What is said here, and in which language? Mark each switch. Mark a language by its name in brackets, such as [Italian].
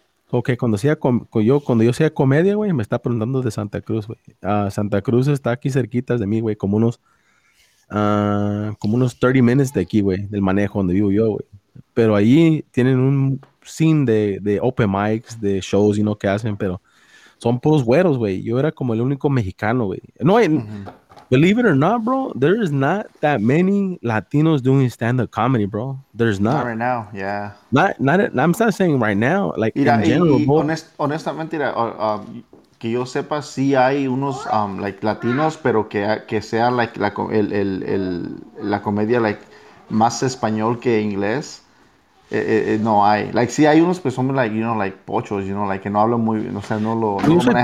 [Spanish] Ok, cuando yo sea comedia, güey, me está preguntando de Santa Cruz, güey. Santa Cruz está aquí cerquitas de mí, güey, como unos 30 minutes de aquí, güey, del manejo donde vivo yo, güey. Pero ahí tienen un scene de open mics, de shows y no que hacen, pero son puros güeros, güey. Yo era como el único mexicano, güey. [English] No, believe it or not, bro, there is not that many Latinos doing stand-up comedy, bro. There's not. Not right now, yeah. I'm not saying right now, like, [Spanish] mira, [English] in general. [Spanish] Y honestamente, mira, que yo sepa, sí hay unos, like, Latinos, pero que sea, like, la comedia, like, más español que inglés. No hay, like, sí hay unos que son, like, [English] you know, like, [Spanish] pochos, you know, like, que no hablan muy bien, o sea, no lo manejan muy bien.